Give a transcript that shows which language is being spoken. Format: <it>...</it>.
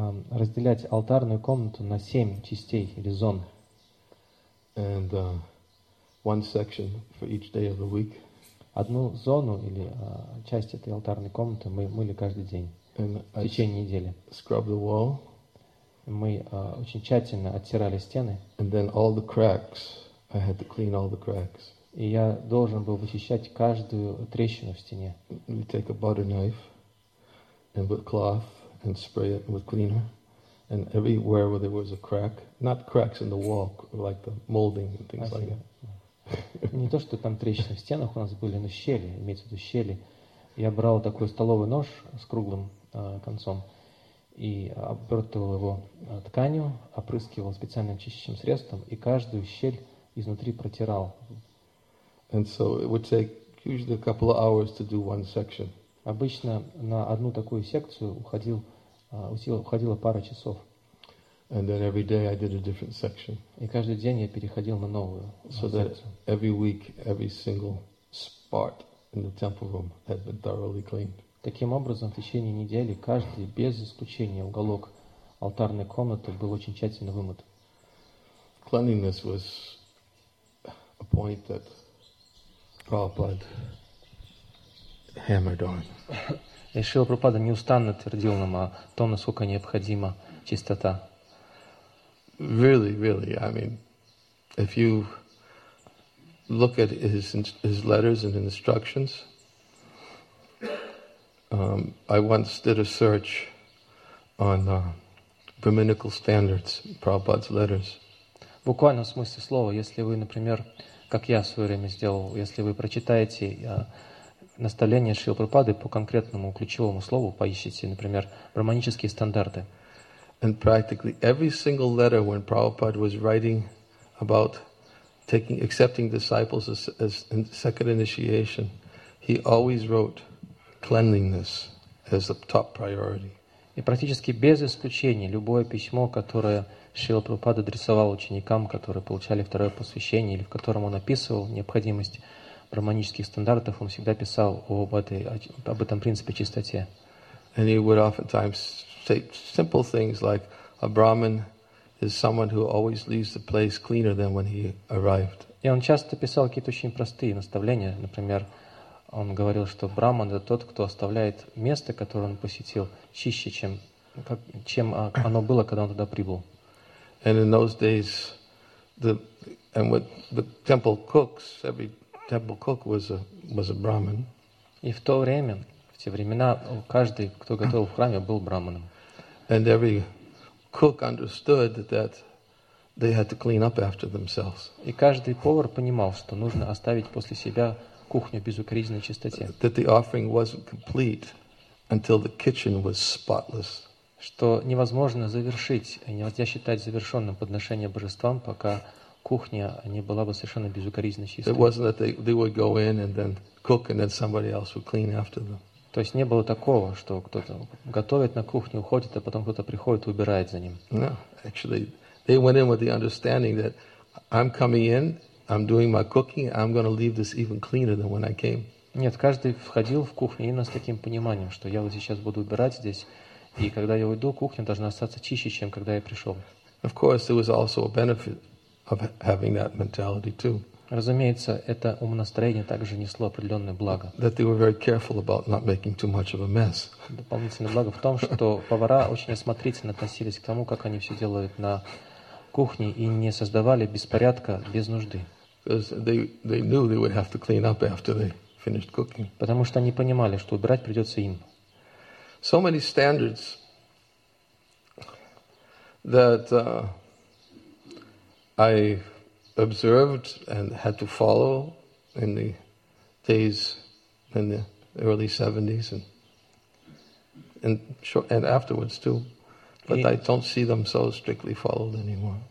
<ru>Разделять алтарную комнату на семь частей или зон.</ru> <en>And one section for each day of the week.</en> <ru>Одну зону или часть этой алтарной комнаты мы мыли каждый день в течение недели.</ru> <en>Scrub the wall.</en> <ru>Мы очень тщательно оттирали стены.</ru> <en>And then all the cracks. I had to clean all the cracks.</en> <ru>И я должен был вычищать каждую трещину в стене.</ru> <en>We take a butter knife and with cloth and spray it with cleaner. And everywhere where there was a crack, not cracks in the wall, like the molding and things like that.</en> <ru>Не то, что там трещины в стенах у нас были, но щели, имеется в виду щели. Я брал такой столовый нож с круглым концом и обертывал его тканью, опрыскивал специальным чистящим средством и каждую щель изнутри протирал.</ru> <en>And so it would take usually a couple of hours to do one section.</en> <ru>Обычно на одну такую секцию уходило пара часов.</ru> <en>And then every day I did a different section.</en> <ru>И каждый день я переходил на новую секцию.</ru> <en>So that every week, every single spot in the temple room had been thoroughly cleaned.</en> <ru>Таким образом, в течение недели каждый без исключения уголок алтарной комнаты был очень тщательно вымыт.</ru> <en>Cleanliness was a point that Prabhupada hammered on.</en> <ru>И Шрила Прабхупада неустанно твердил нам о том, насколько необходима чистота.</ru> <en>Really, really, I mean, if you look at his letters and instructions, I once did a search on Brahminical standards, Prabhupada's letters.</en> <ru>Буквально в смысле слова, если вы, например, как я в свое время сделал, если вы прочитаете наставление Шрилы Прабхупады по конкретному ключевому слову, поищите, например, брахманические стандарты.</ru> <en>And practically every single letter when Prabhupada was writing about taking accepting disciples as in second initiation, he always wrote cleanliness as the top priority.</en> <ru>И практически без исключения любое письмо, которое Шрила Прабхупада адресовал ученикам, которые получали второе посвящение, или в котором он описывал необходимость брахманических стандартов, он всегда писал об этом принципе чистоте.</ru> <en>And he would oftentimes say simple things like, a Brahmin is someone who always leaves the place cleaner than when he arrived.</en> <ru>И он часто писал какие-то очень простые наставления. Например, он говорил, что Брахман — это тот, кто оставляет место, которое он посетил, чище, чем оно было, когда он туда прибыл.</ru> <en>And in those days, the temple cooks, every temple cook was a Brahmin.</en> <ru>И в то время, в те времена, каждый, кто готовил в храме, был Брахманом.</ru> <en>And every cook understood that they had to clean up after themselves.</en> <ru>И каждый повар понимал, что нужно оставить после себя кухню в безукоризненной чистоте.</ru> <en>That the offering wasn't complete until the kitchen was spotless.</en> <ru>Что невозможно завершить, нельзя считать завершенным подношение божествам, пока кухня не была бы совершенно безукоризненно чистой.</ru> <en>It wasn't that they would go in and then cook and then somebody else would clean after them.</en> <ru>То есть не было такого, что кто-то готовит на кухне, уходит, а потом кто-то приходит и убирает за ним.</ru> <en>No, actually, they went in with the understanding that I'm coming in, I'm doing my cooking, I'm going to leave this even cleaner than when I came.</en> <ru>Нет, каждый входил в кухню именно с таким пониманием, что я вот сейчас буду убирать здесь, и когда я уйду, кухня должна остаться чище, чем когда я пришел.</ru> <en>Of course, there was also a benefit of having that mentality too.</en> <ru>Разумеется, это умонастроение также несло определенное благо.</ru> <en>That they were very careful about not making too much of a mess.</en> <ru>Дополнительное благо в том, что повара очень осмотрительно относились к тому, как они все делают на кухне, и не создавали беспорядка без нужды.</ru> <en>They knew they would have to clean up after they finished cooking.</en> <ru>Потому что они понимали, что убирать придется им.</ru> <en>So many standards that I observed and had to follow in the days in the early 70s and afterwards too, but I don't see them so strictly followed anymore.</en>